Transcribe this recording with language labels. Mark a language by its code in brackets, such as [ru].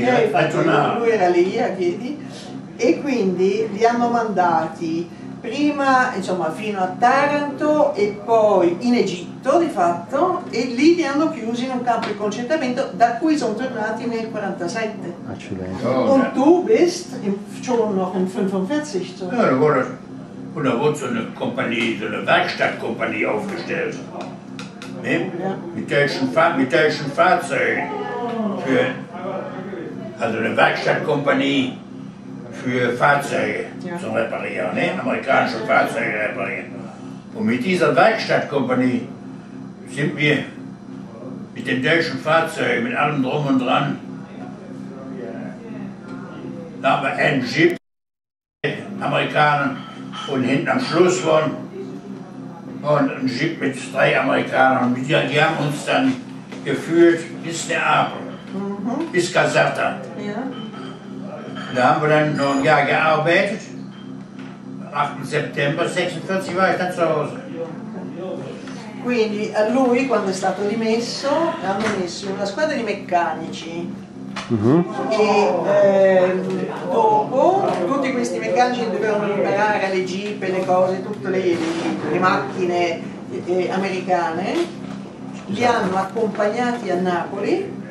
[it] Lui era lì a piedi. E quindi li hanno mandati prima, insomma, fino a Taranto e poi in Egitto di fatto. E lì li hanno chiusi in un campo di concentramento da cui sono tornati nel 47. Accidenti. [de] Und du bist schon noch in 45. Ja, da wurde so eine Kompanie, so eine Werkstattkompanie aufgestellt. Ne? Ja. Mit deutschen Fahrzeugen. Also eine Werkstattkompanie. Für Fahrzeuge zum Reparieren, ne? Amerikanische Fahrzeuge reparieren. Und mit dieser Werkstattkompanie sind wir mit den deutschen Fahrzeugen, mit allem drum und dran, da haben wir einen Jeep, Amerikanern, und hinten am Schluss waren und ein Jeep mit drei Amerikanern. Und die haben uns dann geführt bis Neapel, bis Caserta. Da haben wir dann noch ein Jahr gearbeitet. Am 8. September 1946 war ich dann zu Hause. [it] Quindi a lui, quando è stato dimesso, hanno messo una squadra di meccanici. Dopo tutti questi meccanici dovevano imparare le jeep, le cose, tutte le macchine americane, li hanno accompagnati a Napoli.